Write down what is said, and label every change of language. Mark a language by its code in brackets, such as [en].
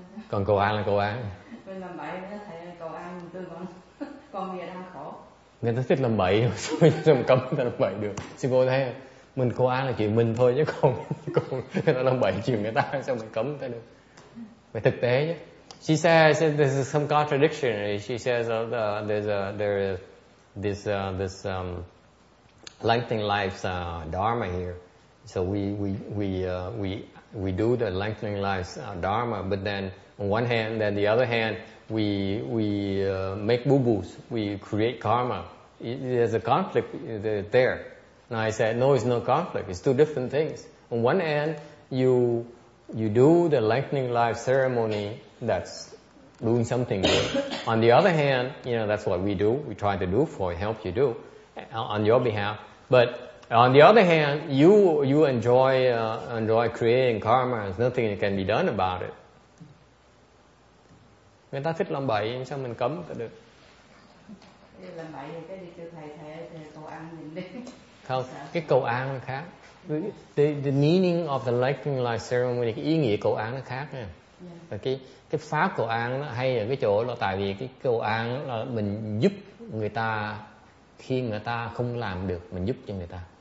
[vi] Còn cầu an là cầu an. Mình làm bậy thì thầy cầu an mình tôi còn bây giờ đang khổ. Người ta thích làm bậy, sao mà cấm người ta làm bậy được. Sư cô thấy không? Mình cố án là chuyện mình thôi chứ còn nó làm bậy chuyện người ta sao mình cấm ta được. Mà thực tế nhé. [en] She says there's some contradiction. She says there is this lengthening life's dharma here. So we do the lengthening life's dharma, but then on one hand, then the other hand we make boo-boos, we create karma. There's a conflict there. And I said, no, it's no conflict. It's two different things. On one hand, you do the lengthening life ceremony. That's doing something good. On the other hand, you know, that's what we do. We try to do for you, help you do on your behalf. But on the other hand, you enjoy creating karma. There's nothing that can be done about it. [vi] Người ta thích làm bậy, sao mình cấm ta được? Làm bậy thì cái đi kêu thầy cầu an mình đi. Không, cái cầu an nó khác. [en] The meaning of the lightning light ceremony, [vi] cái ý nghĩa cầu an nó khác nha. Và cái pháp cầu an nó hay ở cái chỗ là tại vì cái cầu an là mình giúp người ta khi người ta không làm được, mình giúp cho người ta.